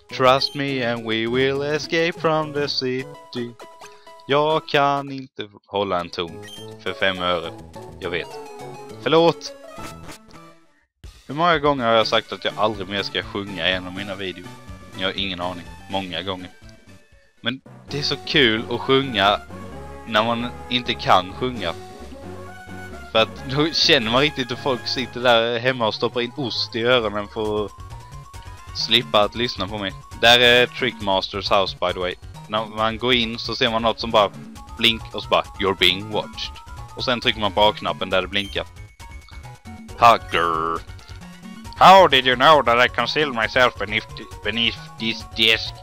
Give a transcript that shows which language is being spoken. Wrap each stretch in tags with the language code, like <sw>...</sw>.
<en>Trust me and we will escape from the city.</en> <sv>Jag kan inte hålla en ton för 5 öre. Jag vet. Förlåt! Hur många gånger har jag sagt att jag aldrig mer ska sjunga i en av mina videor? Jag har ingen aning. Många gånger. Men det är så kul att sjunga när man inte kan sjunga. För att då känner man riktigt att folk sitter där hemma och stoppar in ost i öronen för att slippa att lyssna på mig. Där är</sv> <en>Trickmaster's house, by the way.</en> <sv>När man går in så ser man något som bara blink och så bara</sv> <en>"You're being watched."</en> <sv>Och sen trycker man på A-knappen där det blinkar. Hugger.</sv> <en>How did you know that I concealed myself beneath this desk?</en>